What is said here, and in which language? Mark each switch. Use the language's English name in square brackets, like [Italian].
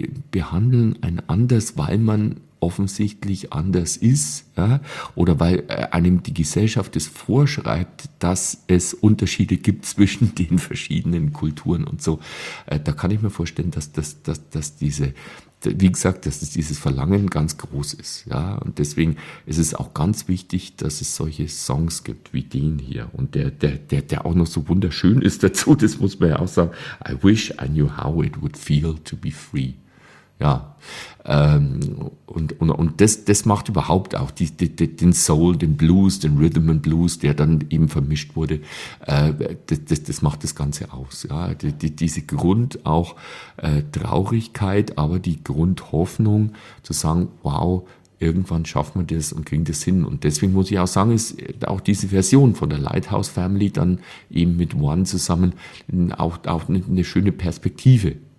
[German] behandeln einen anders, weil man offensichtlich anders ist, ja, oder weil einem die Gesellschaft es vorschreibt, dass es Unterschiede gibt zwischen den verschiedenen Kulturen und so, da kann ich mir vorstellen, dass dieses Verlangen ganz groß ist, ja, und deswegen ist es auch ganz wichtig, dass es solche Songs gibt wie den hier und der auch noch so wunderschön ist dazu, das muss man ja auch sagen. [English] I wish I knew how it would feel to be free. [German] Ja, und das macht überhaupt auch den Soul, den Blues, den Rhythm and Blues, der dann eben vermischt wurde, das macht das Ganze aus. Ja, diese Grund auch Traurigkeit, aber die Grundhoffnung zu sagen, wow, irgendwann schaffen wir das und kriegen das hin. Und deswegen muss ich auch sagen, ist auch diese Version von der Lighthouse Family dann eben mit One zusammen auch eine schöne Perspektive.